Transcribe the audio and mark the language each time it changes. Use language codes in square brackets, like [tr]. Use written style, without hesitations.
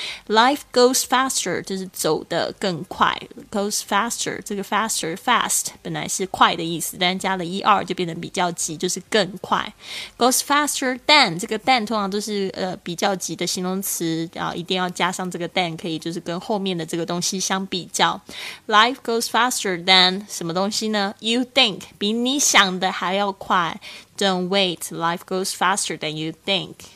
[en] Life goes faster, [zh] 就是走得更快。 [en] Goes faster, [zh] 这个 faster, fast, 本来是快的意思，但加了ER就变得比较急，就是更快。 [en] Goes faster than, [zh] 这个 than 通常都是比较急的形容词，一定要加上这个 than, 可以就是跟后面的这个东西相比较。 [en] Life goes faster than, [zh] 什么东西呢？ [en] You think, [zh] 比你想的还要快。 [en] Don't wait, life goes faster than you think.